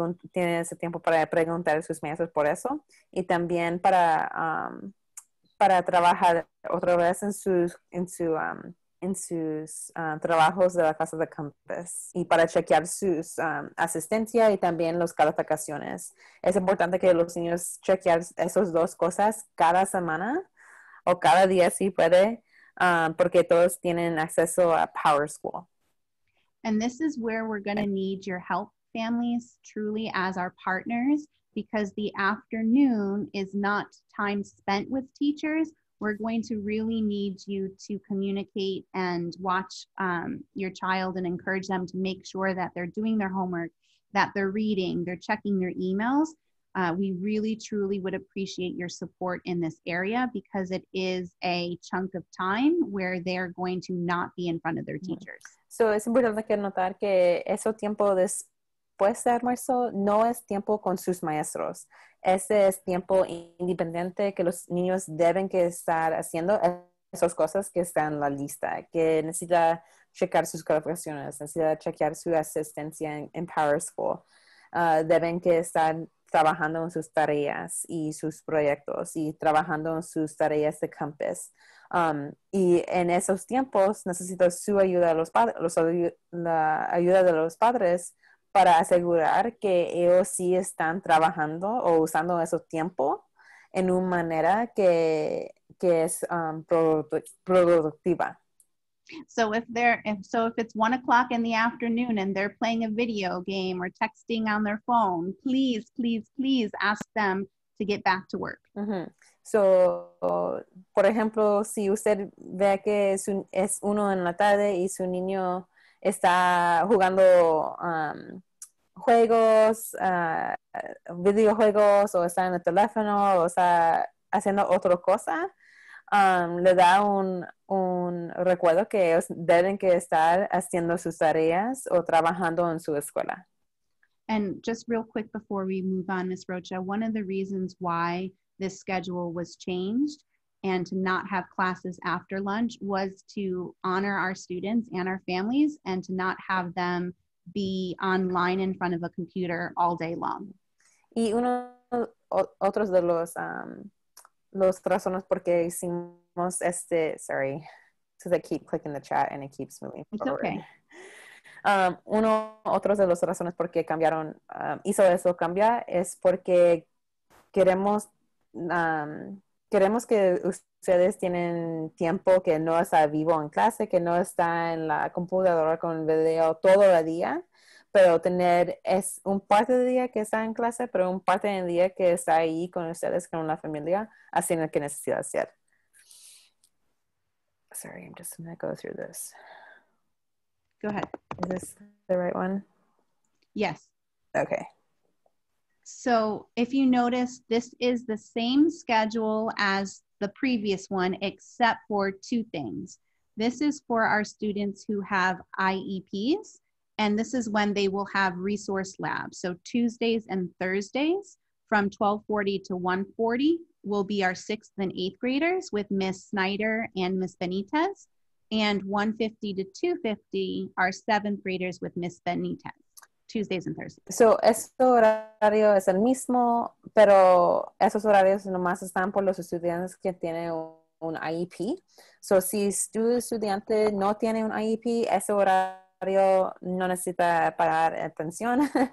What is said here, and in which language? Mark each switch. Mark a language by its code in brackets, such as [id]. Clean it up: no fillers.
[es] tienen ese tiempo para preguntar a sus maestros por eso y también para trabajar otra vez en sus trabajos de la clase de campus y para chequear sus asistencia y también las calificaciones. Es importante que los niños chequear esas dos cosas cada semana o cada día si puede, porque todos tienen acceso a PowerSchool. [en] And this is where we're going to need your help, families, truly as our partners, because the afternoon is not time spent with teachers. We're going to really need you to communicate and watch your child and encourage them to make sure that they're doing their homework, that they're reading, they're checking their emails. We really, truly would appreciate your support in this area because it is a chunk of time where they're going to not be in front of their teachers. [es] So es importante que notar que ese tiempo después de almuerzo no es tiempo con sus maestros. Ese es tiempo independiente que los niños deben que estar haciendo esas cosas que están en la lista, que necesita checar sus calificaciones, necesita chequear su asistencia en PowerSchool. deben que estar trabajando en sus tareas y sus proyectos y trabajando en sus tareas de campus. Y en esos tiempos necesito su ayuda, a los padres, la ayuda de los padres para asegurar que ellos sí están trabajando o usando esos tiempos en una manera que es productiva. [en] So if it's 1 o'clock in the afternoon and they're playing a video game or texting on their phone, please, please, please ask them to get back to work. Mm-hmm. [es] So, por ejemplo, si usted ve que es uno en la tarde y su niño está jugando juegos, videojuegos, o está en el teléfono, o está haciendo otra cosa, le da un recuerdo que ellos deben que estar haciendo sus tareas o trabajando en su escuela. [en] And just real quick before we move on, Ms. Rocha, one of the reasons why this schedule was changed and to not have classes after lunch was to honor our students and our families and to not have them be online in front of a computer all day long. [es] Y uno otros de los razones por qué hicimos este, [en] sorry, because I keep clicking the chat and it keeps moving forward. It's okay. [es] Uno otros de los razones por qué cambiaron, hizo eso cambiar, es porque queremos queremos que ustedes tienen tiempo que no está vivo en clase, que no está en la computadora con el video todo el día, pero tener es un parte del día que está en clase, pero un parte del día que está ahí con ustedes, con la familia, haciendo lo que necesita hacer. [en] Sorry, I'm just going to go through this. Go ahead. Is this the right one? Yes. Okay. So if you notice, this is the same schedule as the previous one, except for two things. This is for our students who have IEPs, and this is when they will have resource labs. So Tuesdays and Thursdays from 12:40 to 1:40 will be our sixth and eighth graders with Ms. Snyder and Ms. Benitez, and 1:50 to 2:50 are seventh graders with Ms. Benitez. Tuesdays and Thursdays. [es] So, este horario es el mismo, pero esos horarios nomás están por los estudiantes que tienen un IEP. So, si tu estudiante no tiene un IEP, ese horario no necesita pagar atención.